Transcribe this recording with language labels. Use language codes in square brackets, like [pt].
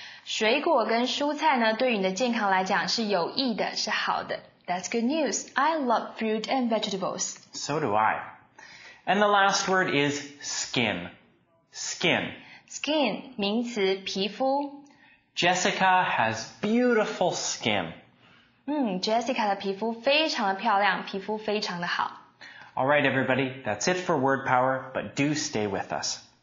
[zh] 水果跟蔬菜呢，对你的健康来讲是有益的，是好的。 [en] That's good news. I love fruit and vegetables. So do I. And the last word is skin. Skin. [zh] Skin, 名词，皮肤。 [en] Jessica has beautiful skin. [zh] Jessica 的皮肤非常的漂亮，皮肤非常的好。 [en] All right, everybody, that's it for Word Power, but do stay with us.